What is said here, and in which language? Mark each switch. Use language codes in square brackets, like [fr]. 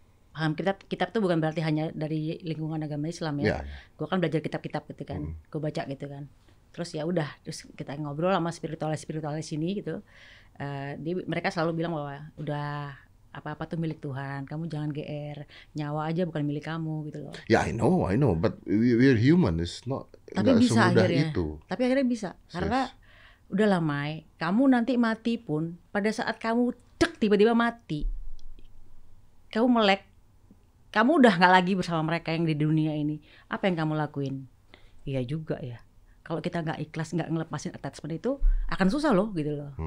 [id] Paham kitab, kitab tuh bukan berarti hanya dari lingkungan agama Islam ya. Gua kan belajar kitab-kitab gitu kan, gua baca gitu kan. Terus ya udah, terus kita ngobrol sama spiritualis-spiritualis sini gitu. Mereka selalu bilang bahwa udah apa-apa tuh milik Tuhan, kamu jangan GR, nyawa aja bukan milik kamu gitu loh. [en] Ya yeah, I know, but we're human, it's not. [id] Tapi bisa akhirnya. Itu. Tapi akhirnya bisa, karena udah lama. Kamu nanti mati pun, pada saat kamu cek tiba-tiba mati, kamu melek, kamu udah nggak lagi bersama mereka yang di dunia ini. Apa yang kamu lakuin? Iya juga ya. Kalau kita nggak ikhlas, nggak ngelepasin attachment itu, akan susah loh gitu loh.